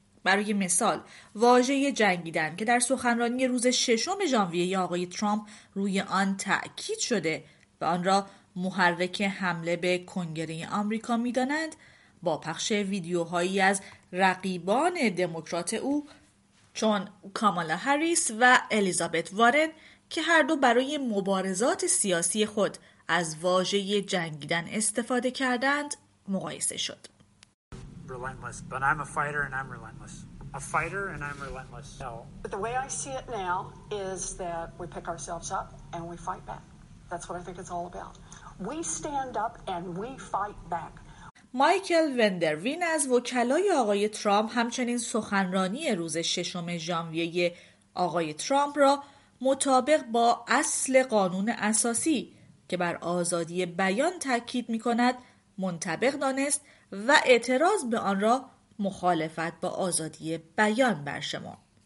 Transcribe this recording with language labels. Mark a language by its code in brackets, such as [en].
[fa] برای مثال واژه جنگیدن که در سخنرانی روز 6 ژانویه آقای ترامپ روی آن تأکید شده و آن را محرک حمله به کنگره آمریکا می‌دانند، با پخش ویدیوهایی از رقیبان دموکرات او چون کامالا هریس و الیزابت وارن که هر دو برای مبارزات سیاسی خود از واژه جنگیدن استفاده کردند مقایسه شد. [en] Relentless, but I'm a fighter and I'm relentless. A fighter and I'm relentless. No. But the way I see it now is that we pick ourselves up and we fight back. That's what I think it's all about. We stand up and we fight back. [fa] مایکل وندروین از وکلای آقای ترامپ همچنین سخنرانی روز 6 ژانویه آقای ترامپ را مطابق با اصل قانون اساسی که بر آزادی بیان تاکید می‌کند منطبق دانست و اعتراض به آن را مخالفت با آزادی بیان برشمرد.